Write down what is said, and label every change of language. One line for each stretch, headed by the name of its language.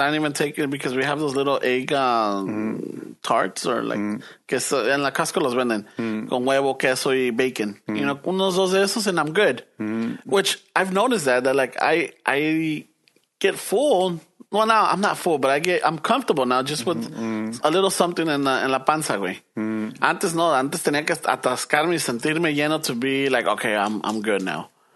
English: I didn't even take it because we have those little egg tarts or like queso.
Spanish: En la Costco los venden con huevo, queso y bacon.
English: You know,
Spanish: unos dos de esos
English: and I'm good. Which I've noticed that like I get full. Well, now I'm not full, but I'm comfortable now just with a little something in la panza, güey.
Spanish: Antes no, antes tenía que atascarme y sentirme lleno
English: to be like, okay, I'm good now.